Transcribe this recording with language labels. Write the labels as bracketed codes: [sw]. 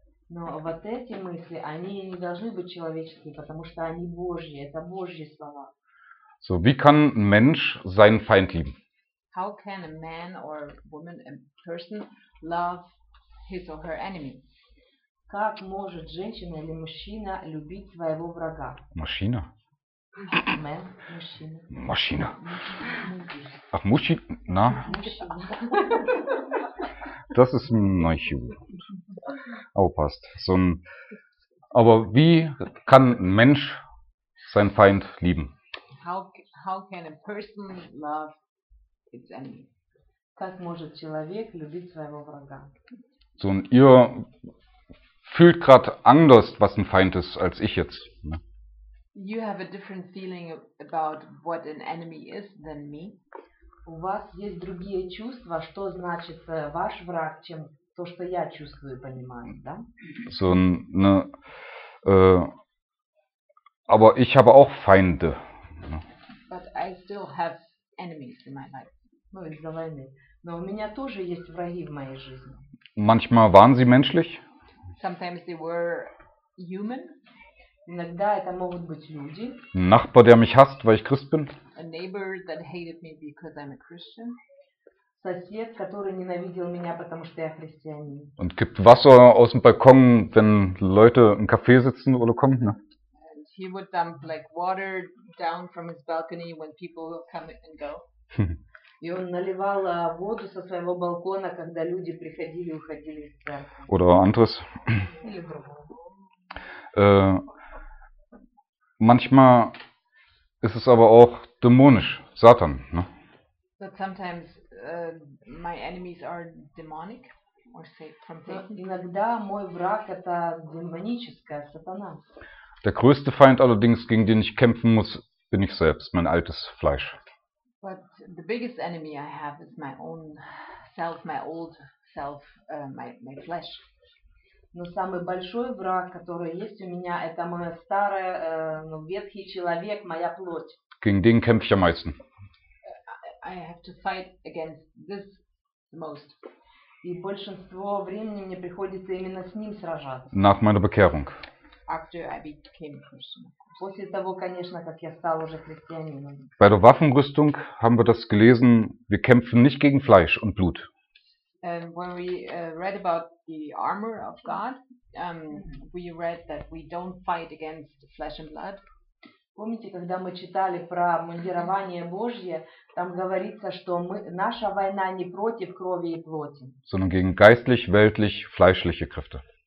[ru] Но вот эти мысли, они не должны быть человеческие, потому что они Божьи, это Божьи слова. [de] So, wie kann ein Mensch seinen Feind lieben? [en] How can a man or woman, a person, love his or her enemy? [ru] Как может женщина или мужчина любить своего врага? Мужчина? Man, мужчина. Мужчина. Ах, мужчина. [de] Das ist ein Neuchirurg. Aber passt. So ein, aber wie kann ein Mensch seinen Feind lieben? [en] How can a person love its enemy? [ru] Как может человек любить своего врага? [de] So ein, ihr fühlt gerade anders, was ein Feind ist, als ich jetzt. Ne? [en] You have a different feeling about what an enemy is than me. [ru] У вас есть другие чувства, что значит ваш враг, чем то, что я чувствую, понимаю, да? [de] So, ne, aber ich habe auch Feinde. [en] But I still have enemies in my life. [ru] Ну, из-за войны. Но у меня тоже есть враги в моей жизни. [de] Manchmal waren sie menschlich. [en] Sometimes they were human. [ru] Иногда это могут быть люди. [de] Nachbar, der mich hasst, weil ich Christ bin. [en] A neighbor that hated me because I'm a Christian. [ru] Сосед, который ненавидел меня, потому что я христианин. [de] Und gibt Wasser aus dem Balkon, wenn Leute im Café sitzen oder kommen, ne? [en] And he would dump like water down from his balcony when people will come and go. [ru] И он наливал воду со своего балкона, когда люди приходили и уходили из церкви. [de] Oder anderes. [ru] Или другого. [de] Manchmal ist es aber auch dämonisch, Satan, ne? [en] But sometimes my enemies are demonic or say from Satan. [ru] Иногда мой враг это демоническая сатана. [de] Der größte Feind allerdings, gegen den ich kämpfen muss, bin ich selbst, mein altes Fleisch. [en] But the biggest enemy I have is my own self, my old self, my flesh. [ru] Но самый большой враг, который есть у меня, это мой старый, ну, ветхий человек, моя плоть. [de] Gegen den kämpfe ich am meisten. [en] I have to fight against this the most. [ru] И большинство времени мне приходится именно с ним сражаться. [de] Nach meiner Bekehrung. [en] After I became a Christian. [ru] После того, конечно, как я стал уже христианином. [de] Bei der Waffenrüstung haben wir das gelesen, wir kämpfen nicht gegen Fleisch und Blut. [en] And when we read about the armor of God, we read that we don't fight against flesh and blood. [ru] Помните, когда мы читали про мундирование Божье, там говорится, что мы, наша война не против крови и плоти. [de] Sondern gegen geistlich, weltlich, fleischliche Kräfte.